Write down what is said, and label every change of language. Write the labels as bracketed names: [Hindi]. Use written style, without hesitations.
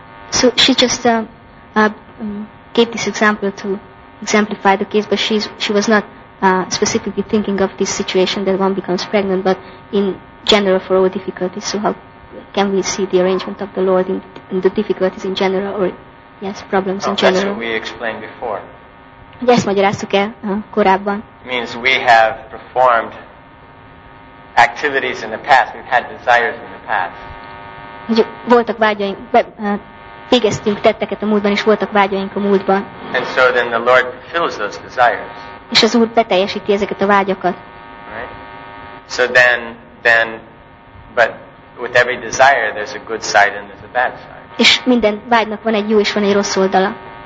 [English] So she just gave this example to exemplify the case, but she was not specifically thinking of this situation that one becomes pregnant, but in general for all difficulties. So how can we see the arrangement of the Lord in the difficulties in general, or yes, problems in general? That's what we explained before. [Hungarian] Yes, magyaráztuk el korábban. [English] Means we have performed activities in the past, we've had desires in the past. [Hungarian] Voltak vágyaink, végeztünk tetteket a múltban, és voltak vágyaink a múltban. [English] And so then the Lord fulfills those desires. [Hungarian] És az Úr beteljesíti ezeket a vágyakat. [English] Right? So then, but with every desire there's a good side and there's a bad side. [Hungarian] És minden vágynak van egy jó és van egy rossz oldala.